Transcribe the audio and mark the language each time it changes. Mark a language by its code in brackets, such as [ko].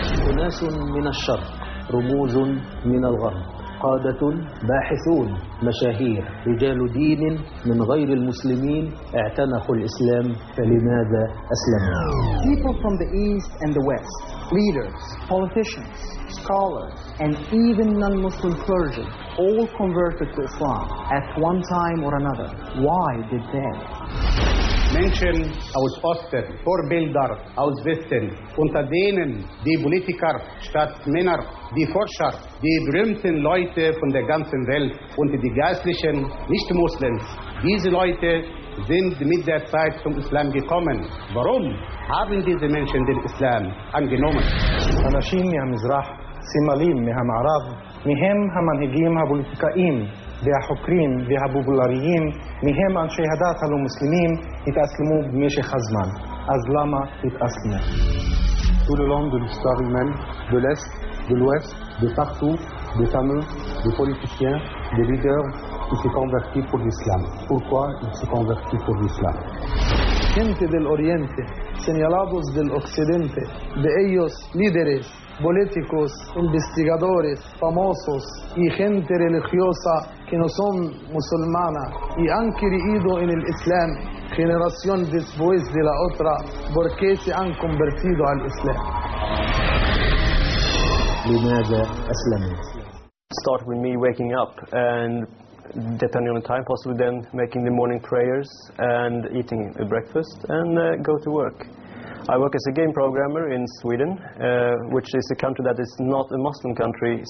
[ar] أناس من الشرق، رموز من الغرب، قادة، باحثون، مشاهير، رجال دين من غير المسلمين اعتنقوا الإسلام، فلماذا أسلموا؟ [en] People from the East and the West, leaders, politicians, scholars, and even non-Muslim clergy all converted to Islam at one time or another. Why did they? [de] Menschen aus Osten, Vorbilder aus Westen, unter denen die Politiker statt Männer, die Forscher, die berühmten Leute von der ganzen Welt und die geistlichen Nicht-Muslims, diese Leute sind mit der Zeit zum Islam gekommen. Warum haben diese Menschen den Islam angenommen? [he] Anashim mi ha-Mizrach, Simalim mi ha-Ma'arav, mihem ha-Manhegim ha-Politikaim, והחוקרים והבובלריים מהם אנשי הדת הלא מוסלמים התאסלמו במשך הזמן. אז למה התאסלמו? [fr] Tout le long de l'histoire humaine, de l'Est, de l'Ouest, de partout, des fameux, des politiciens, des leaders qui se convertis pour l'Islam. Pourquoi ils se convertis pour l'Islam? [es] Gente del Oriente, señalados del Occidente, de ellos líderes, políticos, investigadores, famosos y gente religiosa que no son musulmana y han creído en el Islam generación después de la otra, ¿por qué se han convertido al Islam? [en] Start with me waking up and depending on the time, possibly then making the morning prayers and eating a breakfast and go to work. I work as a game programmer in Sweden, which is a country that is not a Muslim country.